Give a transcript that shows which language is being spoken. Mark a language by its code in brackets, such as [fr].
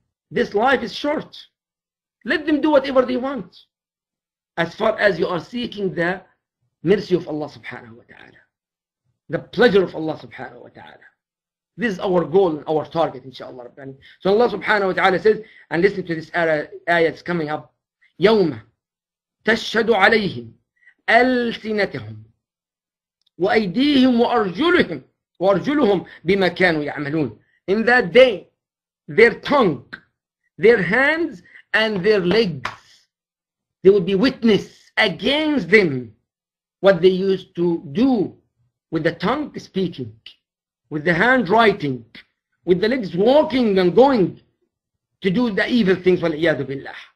[en] This life is short. Let them do whatever they want, as far as you are seeking the mercy of Allah subhanahu wa ta'ala, the pleasure of Allah subhanahu wa ta'ala. This is our goal and our target, inshallah. So Allah subhanahu wa ta'ala says, and listen to this ayah that's coming up. [ar] يوم تشهد عليهم ألسنتهم وأيديهم وأرجلهم وأرجلهم بما كانوا يعملون. [en] In that day, their tongue, their hands, and their legs, they will be witness against them what they used to do with the tongue speaking, with the hand writing, with the legs walking and going to do the evil things, [ar] وَالْعِيَاذُ بِاللَّهِ.